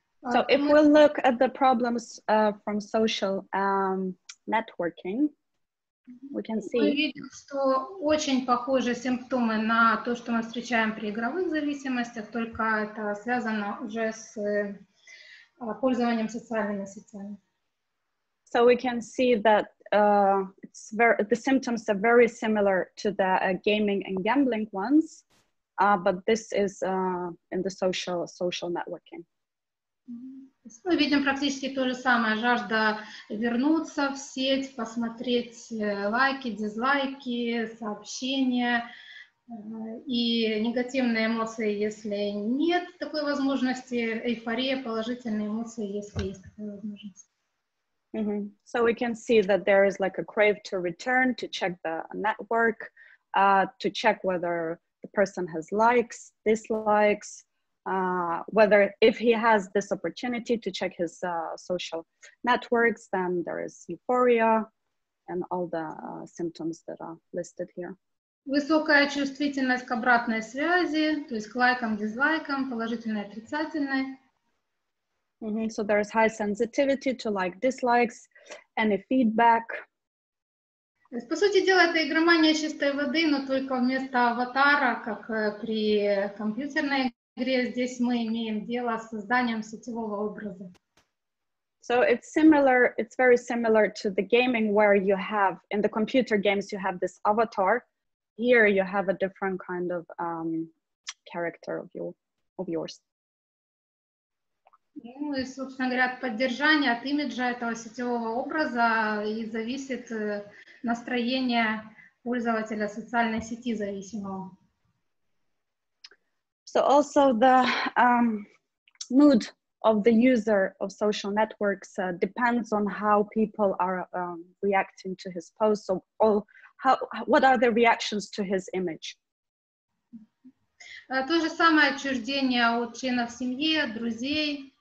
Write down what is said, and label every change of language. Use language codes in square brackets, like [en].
[en] So if we look at the problems from social networking, we can see. [ru] Мы видим, что очень похожи симптомы на то, что мы встречаем при игровых зависимостях, только это связано уже с пользованием социальными сетями. [en] So we can see that the symptoms are very similar to the gaming and gambling ones, but this is in the social networking. [ru] Мы видим практически то же самое, жажда вернуться в сеть, посмотреть лайки, дизлайки, сообщения и негативные эмоции, если нет такой возможности, эйфория, положительные эмоции, если есть такая возможность. Mm-hmm. [en] So we can see that there is like a crave to return, to check the network, to check whether the person has likes, dislikes, whether if he has this opportunity to check his social networks, then there is euphoria and all the symptoms that are listed here. [ru] Высокая чувствительность к обратной связи, то есть к лайкам, дизлайкам, положительной, отрицательной. Mm-hmm. [en] So there is high sensitivity to like dislikes, any feedback. [ru] По сути дела, это игромания чистой воды, но только вместо аватара, как при компьютерной игре, здесь мы имеем дело с созданием сетевого образа. [en] So it's similar, it's very similar to the gaming where you have, in the computer games, you have this avatar. Here you have a different kind of character of yours. [ru] Ну и, собственно говоря, от поддержания, от имиджа этого сетевого образа и зависит настроение пользователя социальной сети зависимого. [en] So also the mood of the user of social networks depends on how people are reacting to his posts. So all, how, what are the reactions to his image? [ru] То же самое отчуждение от членов семьи, от друзей.